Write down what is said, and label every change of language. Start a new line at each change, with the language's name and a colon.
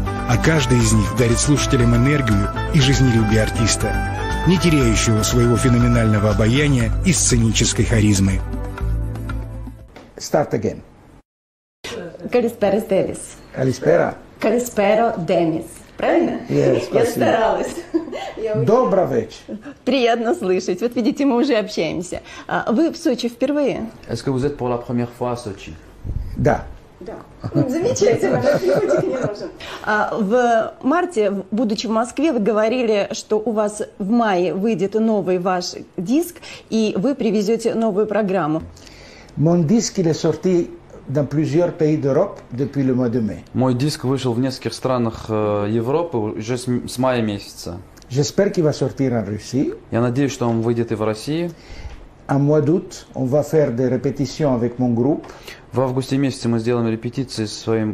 Russian: А каждая из них дарит слушателям энергию и жизнелюбие артиста, не теряющего своего феноменального обаяния и сценической харизмы.
English: Start again.
Greek: Калиспера, Денис. Калиспера.
Russian: Калиспера, Денис. Правильно?
English: Yes,
Russian: я старалась. Добрый вечер. Приятно слышать. Вот видите, мы уже общаемся. Вы в Сочи впервые?
French: Est-ce que vous êtes pour la première fois à Sochi?
Russian: Да. Да. Замечательно, наш не нужен. В марте, будучи в Москве, вы говорили, что у вас в мае выйдет новый ваш диск, и вы привезете новую программу.
French: Mon disque est sorti dans plusieurs pays d'Europe depuis le mois de mai.
Russian: Мой диск вышел в нескольких странах Европы уже с мая месяца.
French: J'espère qu'il va sortir en Russie.
Russian: Я надеюсь, что он выйдет и в России.
French: En mois d'août, on va faire des répétitions avec mon groupe.
Russian: В августе месяце мы сделаем репетиции с своим